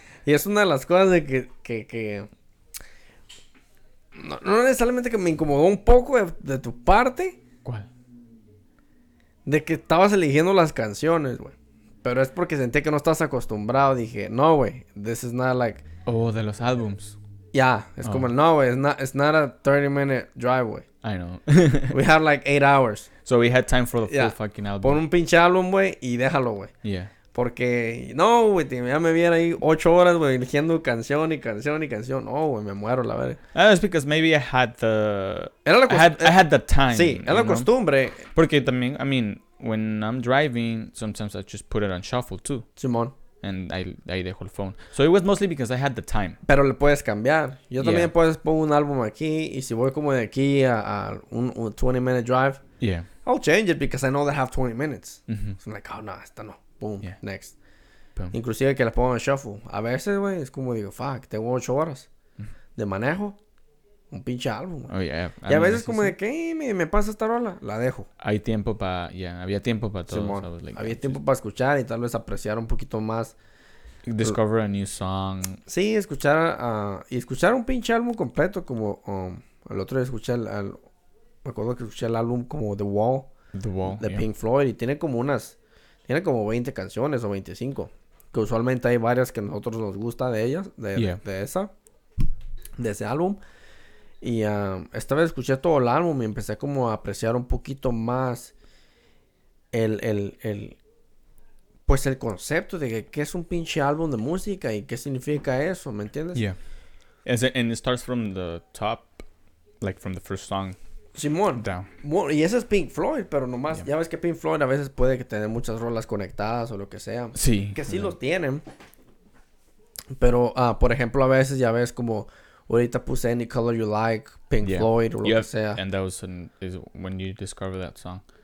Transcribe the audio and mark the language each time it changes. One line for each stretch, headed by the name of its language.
Spanish: Y es una de las cosas de que... No necesariamente que me incomodó un poco de tu parte. ¿Cuál? De que estabas eligiendo las canciones, güey. Pero es porque sentí que no estás acostumbrado. Dije, no, güey,
English: this is not like...
Spanish: Oh, de los álbums.
English: Ya, yeah,
Spanish: es como, no, güey,
English: it's not a 30-minute driveway. I know. We had like 8 hours. So we had time for the full fucking album.
Spanish: Pon un pinche álbum, güey, y déjalo, güey.
English: Yeah.
Spanish: Porque, no, güey, ya me vi ahí 8 horas, güey, eligiendo canción y canción y canción. No, güey, me muero, la verdad.
English: That's because maybe I had the... I had the time.
Spanish: Sí, es la costumbre. Porque también,
English: I mean, when I'm driving, sometimes I just put it on shuffle, too.
Spanish: Simón.
English: And I
Spanish: dejo el
English: phone. So it was mostly because I had the time.
Spanish: Pero le puedes cambiar. Yo también puedes poner un álbum aquí. Y si voy como de aquí a un
English: 20-minute drive. Yeah. I'll change it because I know they have 20 minutes. Mm-hmm. So I'm like, oh, no,
Spanish: esta no.
English: Boom, next. Boom.
Spanish: Inclusive que la pongo en shuffle. A veces, güey, es como digo, fuck, tengo 8 horas de manejo. Un pinche álbum.
English: Oh, yeah.
Spanish: Y a veces como de que me pasa esta rola, la dejo. Hay tiempo para, había tiempo para todo. Simón, so like, había tiempo para escuchar y tal vez apreciar un poquito más.
English: Discover a new song.
Spanish: Sí, escuchar un pinche álbum completo como el otro día escuché me acuerdo que escuché el álbum como The Wall.
English: The Wall,
Spanish: de Pink Floyd y tiene como 20 canciones o 25. Que usualmente hay varias que a nosotros nos gusta de ellas, de ese álbum. Y esta vez escuché todo el álbum y empecé como a apreciar un poquito más el concepto de que es un pinche álbum de música y qué significa eso, ¿me entiendes?
English: Yeah. And it starts from the top, like from the first song.
Spanish: Simón.
English: Down.
Spanish: Bueno, y ese es Pink Floyd, pero nomás, ya ves que Pink Floyd a veces puede que tener muchas rolas conectadas o lo que sea. Sí. Que sí los tienen. Pero, por ejemplo, a veces ya ves como... Ahorita puse Any Color You Like, Pink Floyd, o lo que sea.
English: And that was is when you discovered that song.